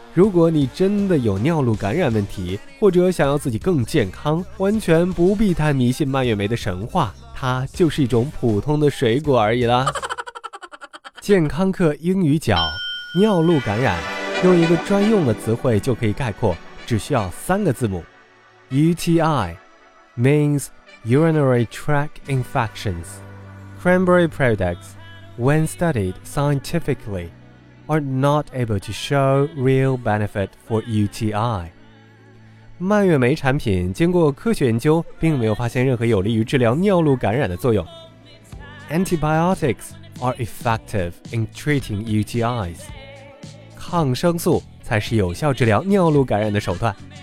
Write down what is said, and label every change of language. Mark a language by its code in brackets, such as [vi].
[zh] 如果你真的有尿路感染问题，或者想要自己更健康，完全不必太迷信蔓越莓的神话，它就是一种普通的水果而已啦。健康课英语角，尿路感染，用一个专用的词汇就可以概括，只需要三个字母 [en] UTI means urinary tract infections. Cranberry products, when studied scientificallyare not able to show real benefit for UTI. [zh] 蔓越莓产品经过科学研究并没有发现任何有利于治疗尿路感染的作用。 [en] Antibiotics are effective in treating UTIs. [zh] 抗生素才是有效治疗尿路感染的手段。